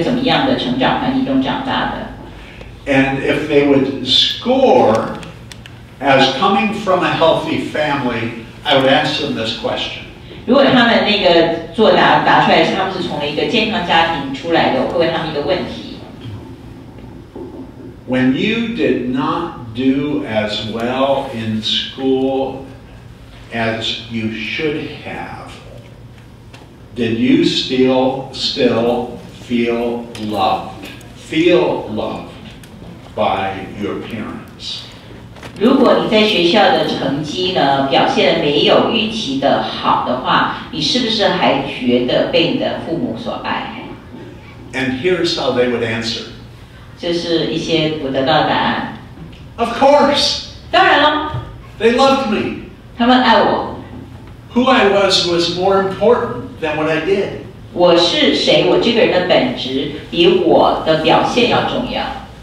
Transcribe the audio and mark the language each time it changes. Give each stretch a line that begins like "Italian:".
Chinese: 我会在这个从这里面呢，这个教材里面呢，就是问一个问题，就是他们是怎么样，在一个怎么样的成长环境中长大的。
English: And if they would score as coming from a healthy family, I would ask them this question.
Chinese: 如果他们那个作答答出来，他们是从一个健康家庭出来的，我会问他们一个问题。
English: When you did not do as well in school as you should have, did you still feel loved by your parents?
Chinese: 如果你在学校的成绩呢表现得没有预期的好的话，你是不是还觉得被你的父母所爱？
English: And here's how they would answer.
Chinese: 这是一些我得到的答案。
English: Of course.
Chinese: 当然了。
English: They loved me.
Chinese: 他们爱我。
English: Who I was more important than what I did.
Chinese: 我是谁，我这个人的本质比我的表现要重要。